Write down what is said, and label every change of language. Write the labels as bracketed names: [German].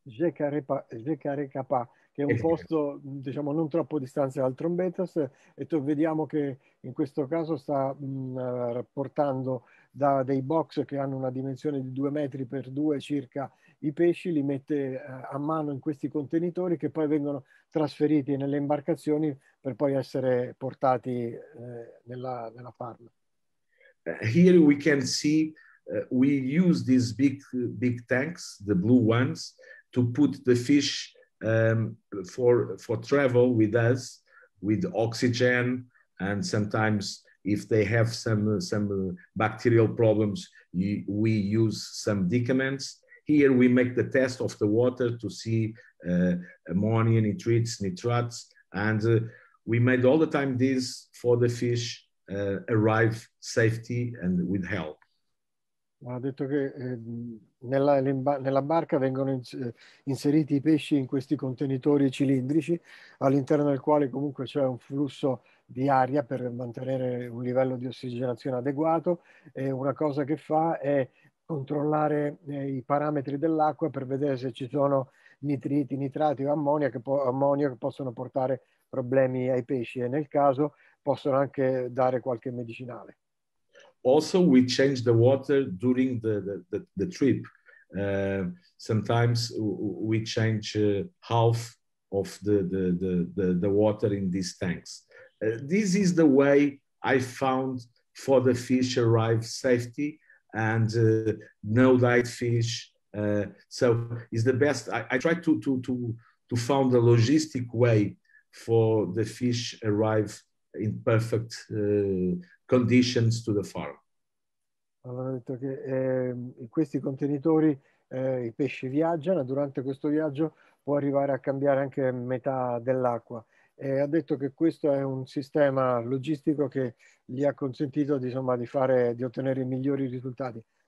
[Italian] che è un posto, diciamo, non troppo distante dal Trombetas, e vediamo che in questo caso sta portando da dei box che hanno una dimensione di 2 metri per 2 circa i pesci, li mette a mano in questi contenitori che poi vengono trasferiti nelle imbarcazioni per poi essere portati nella farm. [English] Here we can see we use these big tanks, the blue ones, to put the fish for travel with us, with oxygen, and sometimes if they have some bacterial problems, we use some decaments. Here we make the test of the water to see ammonia nitrites, nitrates, and we made all the time this for the fish. Arrive safety and with help. [Italian] Ha detto che nella barca vengono inseriti i pesci in questi contenitori cilindrici, all'interno del quale comunque c'è un flusso di aria per mantenere un livello di ossigenazione adeguato. E una cosa che fa è controllare i parametri dell'acqua per vedere se ci sono nitriti, nitrati o ammonia che possono portare problemi ai pesci e nel caso possono anche dare qualche medicinale. [English] Also, we change the water during the trip. Sometimes we change half of the water in these tanks. This is the way I found for the fish arrive safety and no diet fish. So it's the best. I try to found a logistic way for the fish arrive in perfect conditions to the farm. [Italian] Allora, ho detto che in questi contenitori i pesci viaggiano, durante questo viaggio può arrivare a cambiare anche metà dell'acqua. E ha detto che questo è un sistema logistico che gli ha consentito, insomma, di ottenere i migliori risultati.